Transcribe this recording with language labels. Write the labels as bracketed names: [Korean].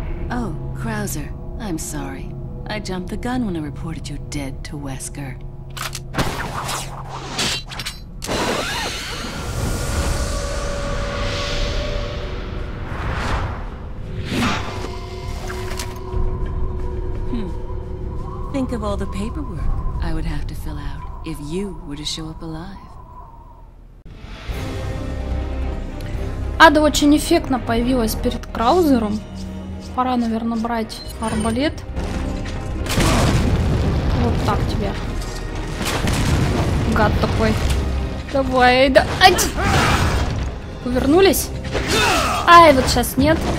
[English] О, Краузер, I'm sorry. I jumped the gun when I reported you dead to Wesker. Think of all the paperwork I would have to fill out if you were to show up alive. [Russian] Ада очень эффектно появилась перед Краузером. Пора, наверное, брать арбалет. Вот так тебе. Гад такой. Давай, да. Ай! Повернулись? Ай, вот сейчас нет.